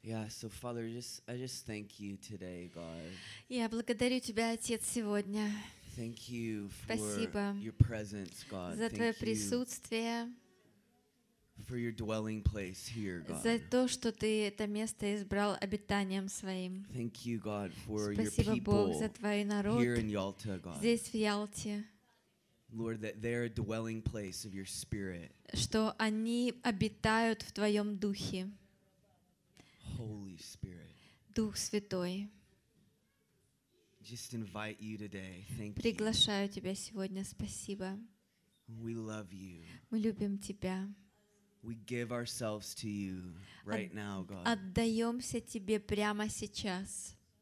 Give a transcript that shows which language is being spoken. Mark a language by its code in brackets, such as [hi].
[en] So Father, I just thank you today, God. [ru] Я благодарю тебя, Отец, сегодня. [en] Thank you for [ru] Спасибо. [en] Your presence, God. [ru] За твое присутствие. [en] For your dwelling place here, God. [ru] За то, что ты это место избрал обитанием своим. [en] Thank you, God, for [ru] Спасибо [en] your people. [ru] Бог, за твой народ. [en] Here in Yalta, God. [ru] Здесь в Ялте. [en] Lord, that they're a dwelling place of your spirit. [ru] Что они обитают в твоём духе. [en] Holy Spirit. [ru] Дух Святой. [en] Just invite you today. Thank you. [ru] Приглашаю тебя сегодня. Спасибо. [en] We love you. [ru] Мы любим тебя. [en] We give ourselves to you right now, God. [ru] Отдаёмся тебе прямо сейчас.